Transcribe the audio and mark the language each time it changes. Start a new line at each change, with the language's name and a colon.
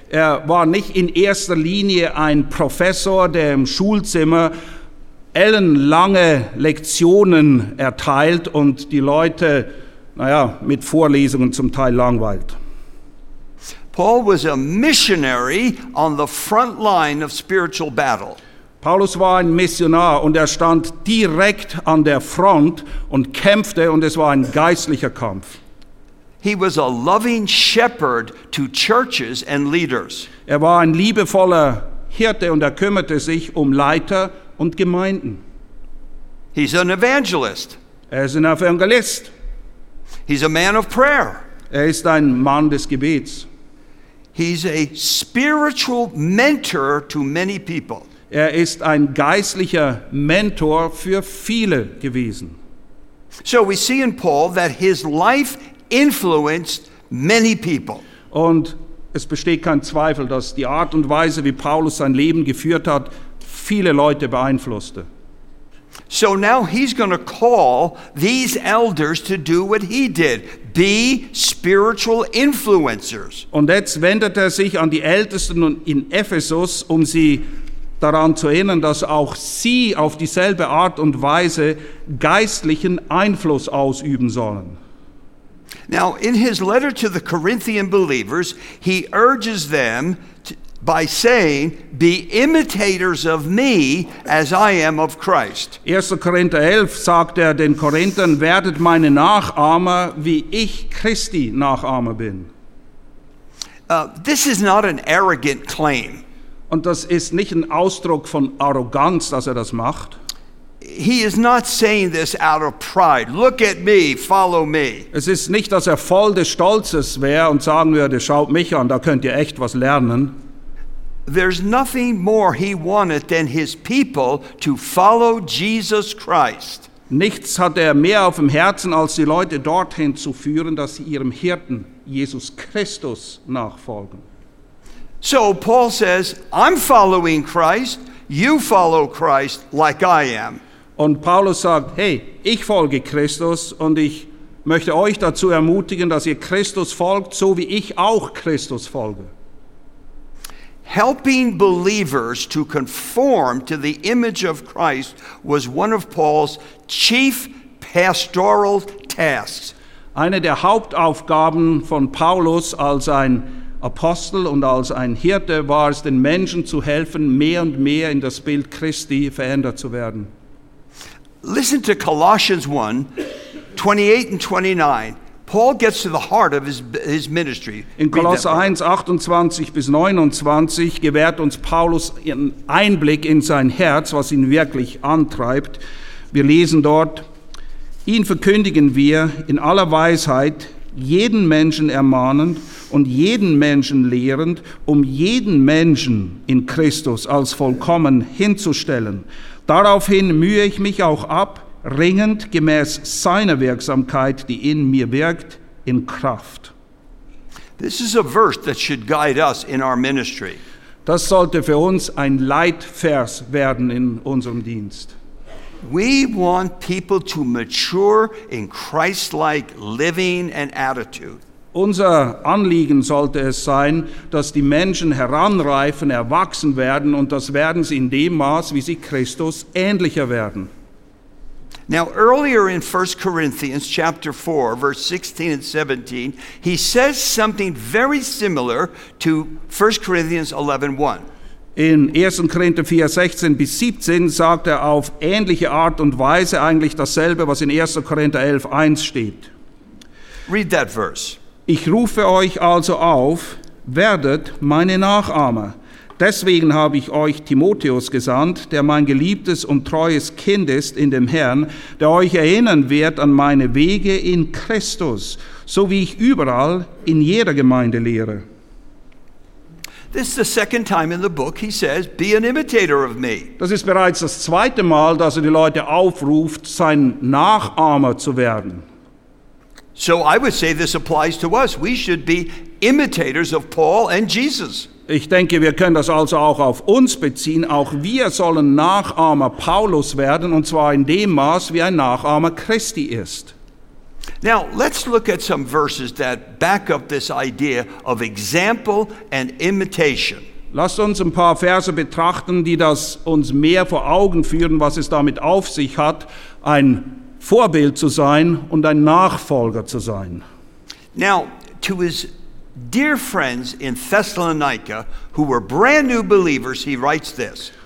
German: Er war nicht in erster Linie ein Professor, der im Schulzimmer ellenlange Lektionen erteilt und die Leute, naja, mit Vorlesungen zum Teil langweilt.
English: Paul was a missionary on the front line of spiritual battle.
German: Paulus war ein Missionar und er stand direkt an der Front und kämpfte, und es war ein geistlicher Kampf.
English: He was a loving shepherd to churches and leaders.
German: Er war ein liebevoller Hirte und er kümmerte sich um Leiter und Gemeinden.
English: He's an evangelist.
German: Er ist ein Evangelist.
English: He's a man of prayer.
German: Er ist ein Mann des Gebets.
English: He's a spiritual mentor to many people.
German: Er ist ein geistlicher Mentor für viele gewesen.
English: So we see in Paul that his life influenced many people.
German: Und es besteht kein Zweifel, dass die Art und Weise, wie Paulus sein Leben geführt hat, viele Leute beeinflusste.
English: So now he's going to call these elders to do what he did, be spiritual influencers.
German: Und jetzt wendet er sich an die Ältesten in Ephesus, um sie daran zu erinnern, dass auch sie auf dieselbe Art und Weise geistlichen Einfluss ausüben sollen.
English: Now in his letter to the Corinthian believers, he urges them by saying, be imitators of me as I am of Christ.
German: 1. Korinther 11 sagt er den Korinthern, werdet meine Nachahmer, wie ich Christi Nachahmer bin.
English: This is not an arrogant claim.
German: Und das ist nicht ein Ausdruck von Arroganz, dass er das macht.
English: He is not saying this out of pride. Look at me, follow me.
German: Es ist nicht, dass er voll des Stolzes wäre und sagen würde, schaut mich an, da könnt ihr echt was lernen.
English: There's nothing more he wanted than his people to follow Jesus Christ.
German: Nichts hat er mehr auf dem Herzen, als die Leute dorthin zu führen, dass sie ihrem Hirten Jesus Christus nachfolgen.
English: So Paul says, I'm following Christ, you follow Christ like I am.
German: Und Paulus sagt, hey, ich folge Christus und ich möchte euch dazu ermutigen, dass ihr Christus folgt, so wie ich auch Christus folge.
English: Helping believers to conform to the image of Christ was one of Paul's chief pastoral tasks.
German: Eine der Hauptaufgaben von Paulus als ein Apostel und als ein Hirte war es, den Menschen zu helfen, mehr und mehr in das Bild Christi verändert zu werden.
English: Listen to Colossians 1, 28 and 29. Paul gets to the heart of his ministry.
German: In Kolosser 1, 28 bis 29 gewährt uns Paulus einen Einblick in sein Herz, was ihn wirklich antreibt. Wir lesen dort, ihn verkündigen wir in aller Weisheit, jeden Menschen ermahnend und jeden Menschen lehrend, um jeden Menschen in Christus als vollkommen hinzustellen. Daraufhin mühe ich mich auch ab, ringend gemäß seiner Wirksamkeit, die in mir wirkt, in Kraft.
English: This is a verse that should guide us in our ministry.
German: Das sollte für uns ein Leitvers werden in unserem Dienst.
English: We want people to mature in Christ-like living and attitude.
German: Unser Anliegen sollte es sein, dass die Menschen heranreifen, erwachsen werden, und das werden sie in dem Maß, wie sie Christus ähnlicher werden.
English: Now, earlier in 1 Corinthians chapter 4, verse 16 and 17, he says something very similar to 1 Corinthians 11, 1.
German: In 1. Korinther 4, 16 bis 17 sagt er auf ähnliche Art und Weise eigentlich dasselbe, was in 1. Korinther 11, 1 steht.
English: Read that verse.
German: Ich rufe euch also auf, werdet meine Nachahmer. Deswegen habe ich euch Timotheus gesandt, der mein geliebtes und treues Kind ist in dem Herrn, der euch erinnern wird an meine Wege in Christus, so wie ich überall in jeder Gemeinde lehre.
English: This is the second time in the book he says, be an imitator of me.
German: Das ist bereits das zweite Mal, dass er die Leute aufruft, sein Nachahmer zu werden.
English: So I would say this applies to us. We should be imitators of Paul and Jesus.
German: Ich denke, wir können das also auch auf uns beziehen. Auch wir sollen Nachahmer Paulus werden, und zwar in dem Maß, wie ein Nachahmer Christi ist.
English: Now, let's look at some verses that back up this idea of example and imitation.
German: Lasst uns ein paar Verse betrachten, die das uns mehr vor Augen führen, was es damit auf sich hat, ein Vorbild zu sein und ein Nachfolger zu sein.
English: Now, to his dear friends in Thessalonica, who were brand new believers, he writes this.